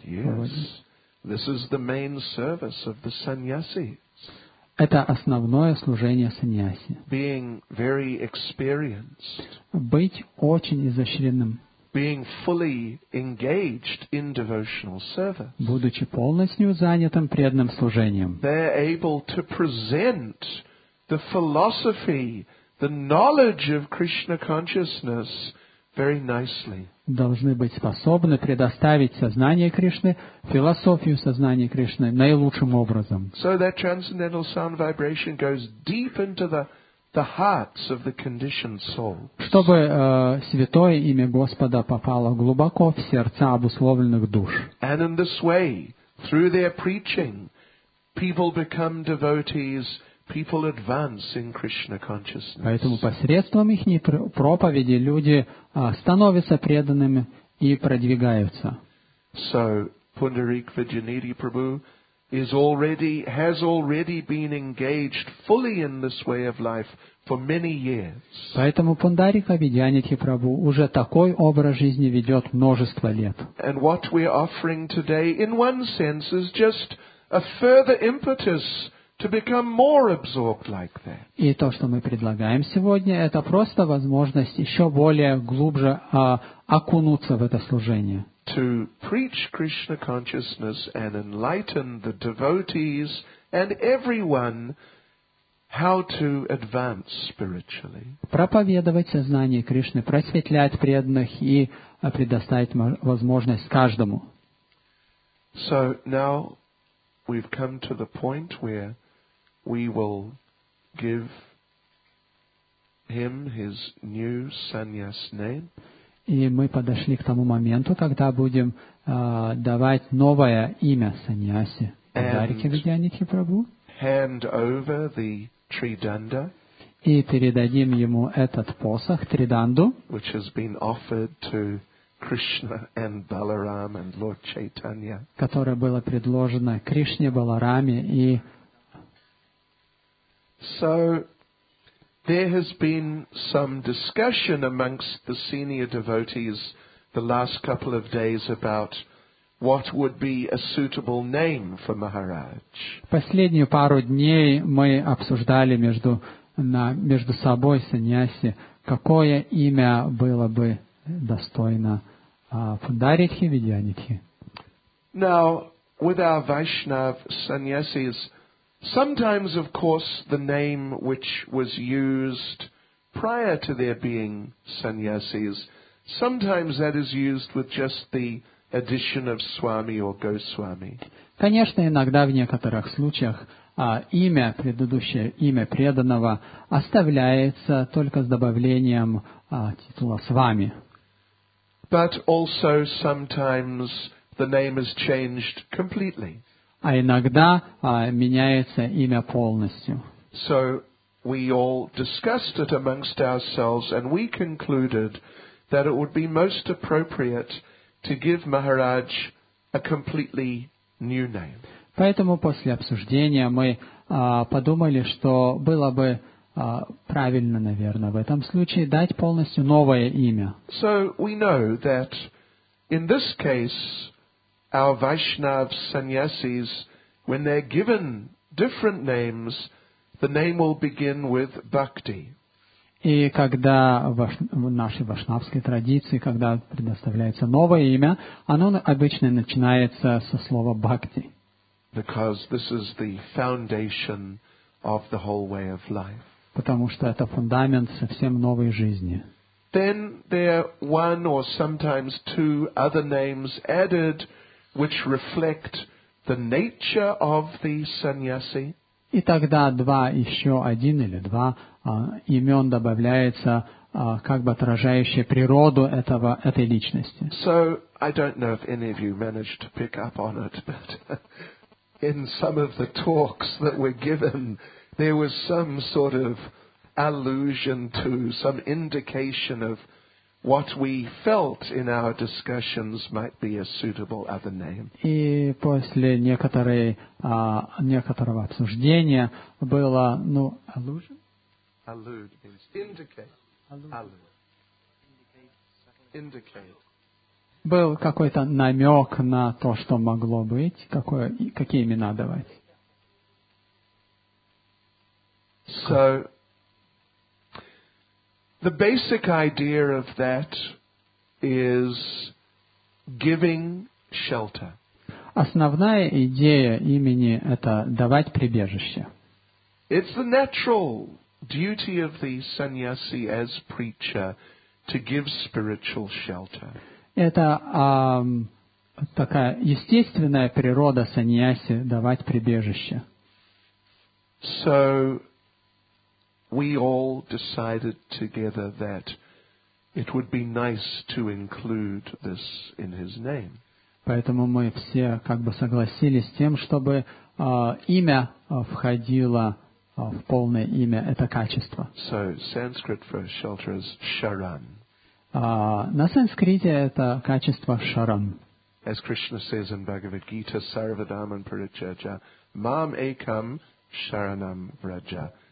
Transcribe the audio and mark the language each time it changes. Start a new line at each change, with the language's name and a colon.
English: Yes. This is the main service of the sannyasi.
Russian: Это основное служение саньяси.
English: Being very experienced.
Russian: Быть очень изощренным.
English: Being fully engaged in devotional service.
Russian: Будучи полностью занятым преданным служением.
English: They're able to present the philosophy, the knowledge of Krishna consciousness very nicely.
Russian: Должны быть способны предоставить сознание Кришны, философию сознания Кришны наилучшим образом.
English: So that transcendental sound vibration goes deep into the hearts of the conditioned soul.
Russian: Чтобы святое имя Господа попало глубоко в сердца обусловленных душ.
English: And in this way, through their preaching, people become devotees, people advance in Krishna consciousness.
Russian: Поэтому посредством их проповеди люди становятся преданными и продвигаются.
English: So Pundarik Vidyaniri Prabhu has already been engaged fully in this way of life for many years.
Russian: Поэтому Пундарика Видьянитхи Прабху уже такой образ жизни ведет множество лет.
English: And what we are offering today, in one sense, is just a further impetus to become more absorbed like that.
Russian: И то, что мы предлагаем сегодня, это просто возможность еще более глубже окунуться в это служение.
English: To preach Krishna consciousness and enlighten the devotees and everyone how to advance spiritually.
Russian: Проповедовать сознание Кришны, просветлять преданных и предоставить возможность каждому.
English: So now we've come to the point where we will give him his new sannyas name.
Russian: И мы подошли к тому моменту, когда будем давать новое имя саньяси, Дарике Видьянитхи Прабху.
English: Hand over the tridanda,
Russian: и передадим ему этот посох, триданду,
English: which has been offered to Krishna and Balaram and Lord Chaitanya,
Russian: которое было предложено Кришне, Балараме и
English: So there has been some discussion amongst the senior devotees the last couple of days about what would be a suitable name for Maharaj.
Russian: Последнюю пару дней мы обсуждали между собой саньяси, какое имя было бы достойно Пундаритхи, Видьянитхи.
English: Now, with our Vaishnav sannyasis, sometimes, of course, the name which was used prior to their being sannyasis, sometimes that is used with just the addition of Swami or Goswami.
Russian: Конечно, иногда в некоторых случаях имя, предыдущее имя преданного, оставляется только с добавлением титула Свами.
English: But also sometimes the name is changed completely.
Russian: А иногда меняется имя полностью.
English: So we all discussed it amongst ourselves, and we concluded that it would be most appropriate to give Maharaj a completely new name.
Russian: Поэтому после обсуждения мы подумали, что было бы правильно, наверное, в этом случае дать полностью новое имя.
English: So we know that in this case our Vaishnav sannyasis, when they're given different names, the name will begin with bhakti.
Russian: И когда в нашей вайшнавской традиции, когда предоставляется новое имя, оно обычно начинается со слова бхакти.
English: Because this is the foundation of the whole way of life.
Russian: Потому что это фундамент совсем новой жизни.
English: Then there are one or sometimes two other names added, which reflect the nature of the sannyasi.
Russian: И тогда два, еще один или два имен добавляется, как бы отражающие природу этой личности.
English: So I don't know if any of you managed to pick up on it, but in some of the talks that were given, there was some sort of allusion to, some indication of what we felt in our discussions might be a suitable other name.
Russian: И после некоторого обсуждения было,
English: allusion? Allude means indicate.
Russian: Был какой-то намек на то, что могло быть, какие имена давать.
English: So, the basic idea of that is giving shelter.
Russian: Основная идея имени — это давать прибежище.
English: It's the natural duty of the sannyasi as preacher to give spiritual shelter.
Russian: Это такая естественная природа саньяси давать прибежище.
English: So we all decided together that it would be nice to include this in his name.
Russian: Поэтому мы все как бы согласились с тем, чтобы имя входило в полное имя это качество.
English: So Sanskrit for shelter is sharan.
Russian: На санскрите это качество шарам.
English: As Krishna says in Bhagavad Gita,
Sanskrit: Sarva Dhamman Paricharya, Mam Ekam Sharanam Vraja.